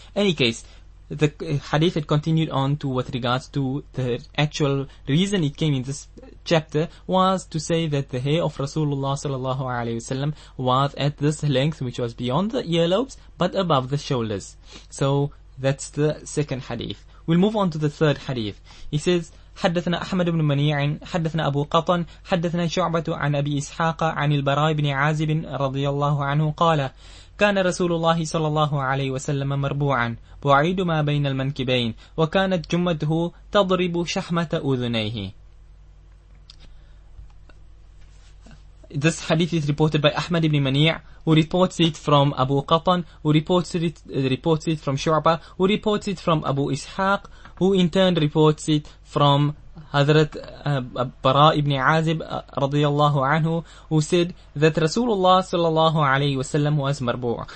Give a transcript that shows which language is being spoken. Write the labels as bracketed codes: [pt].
[en] Any case, the hadith had continued on to with regards to the actual reason it came in this chapter, was to say that the hair of Rasulullah sallallahu alaihi wasallam was at this length, which was beyond the earlobes but above the shoulders. So that's the second hadith. We'll move on to the third hadith. He says, [ar] حدثنا أحمد بن منيع حدثنا أبو قطن حدثنا شعبة عن أبي إسحاق عن البراء بن عازب رضي الله عنه قال كان رسول الله صلى الله عليه وسلم مربوعا بعيد ما بين المنكبين وكانت جمته تضرب شحمة أذنيه. [en] This hadith is reported by Ahmad ibn Mani', who reports it from Abu Qatan, who reports it from Shu'ba, who reports it from Abu Ishaq, who in turn reports it from Hazrat Bara ibn Azib radiyallahu anhu, who said that Rasulullah sallallahu alayhi wasallam was marbu'.